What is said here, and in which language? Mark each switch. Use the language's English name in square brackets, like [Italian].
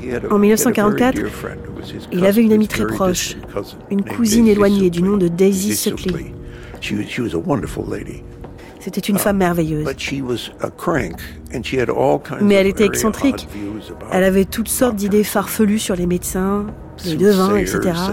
[French] En 1944, il avait une amie très proche, une cousine éloignée du nom de Daisy Suckley. [English] She was a wonderful lady. [French] C'était une femme merveilleuse. [English] But she was a crank, and she had all kinds. [French] Mais elle était excentrique. Elle avait toutes sortes d'idées farfelues sur les médecins, les devins, etc.